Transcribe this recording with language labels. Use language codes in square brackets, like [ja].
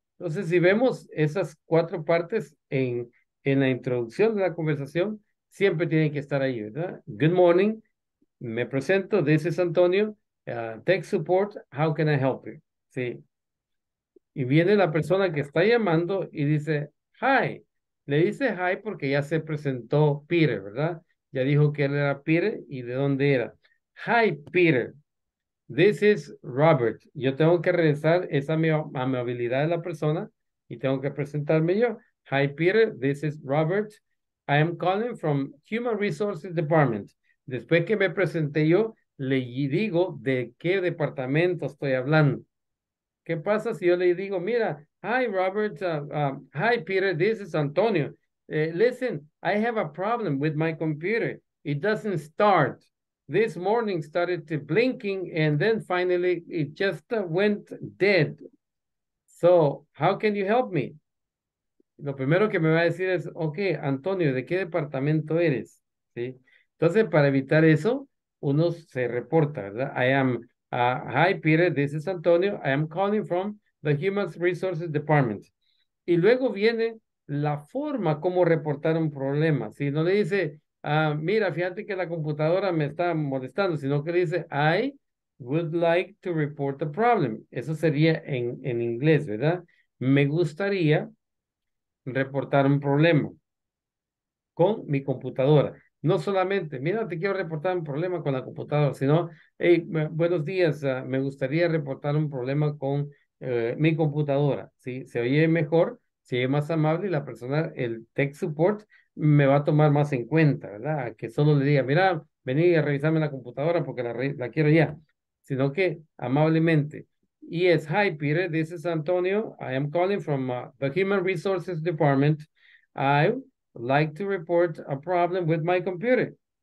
[es] Entonces, si vemos esas cuatro partes en la introducción de la conversación, siempre tienen que estar ahí, ¿verdad? [en] Good morning, [es] me presento, [en] this is Antonio, Tech Support, how can I help you? [es] Sí. Y viene la persona que está llamando y dice, hi. Le dice hi porque ya se presentó Peter, ¿verdad? Ya dijo que él era Peter y de dónde era. Hi, Peter. [en] This is Robert. [es] Yo tengo que regresar esa amabilidad de la persona y tengo que presentarme yo. [en] Hi, Peter. This is Robert. I am calling from Human Resources Department. [es] Después que me presenté yo, le digo de qué departamento estoy hablando. ¿Qué pasa si yo le digo, mira, hi, Robert. [en] Hi, Peter. This is Antonio. Listen, I have a problem with my computer. It doesn't start. This morning started to blinking and then finally it just went dead. So, how can you help me? [es] Lo primero que me va a decir es, okay, Antonio, ¿de qué departamento eres? ¿Sí? Entonces, para evitar eso, uno se reporta, ¿verdad? [en] I am, hi Peter, this is Antonio. I am calling from the Human Resources Department. [es] Y luego viene la forma como reportar un problema. Si no le dice, mira, fíjate que la computadora me está molestando, sino que le dice, [en] I would like to report a problem. [es] Eso sería en inglés, ¿verdad? Me gustaría reportar un problema con mi computadora. No solamente, mira, te quiero reportar un problema con la computadora, sino, hey, buenos días, me gustaría reportar un problema con mi computadora. ¿Sí? Se oye mejor. Si es más amable, la persona, el tech support, me va a tomar más en cuenta, ¿verdad? Que solo le diga, mira, vení a revisarme la computadora porque la quiero ya. Sino que, amablemente. Y es, [en] hi, Peter, this is Antonio. I am calling from the Human Resources Department. I would like to report a problem with my computer.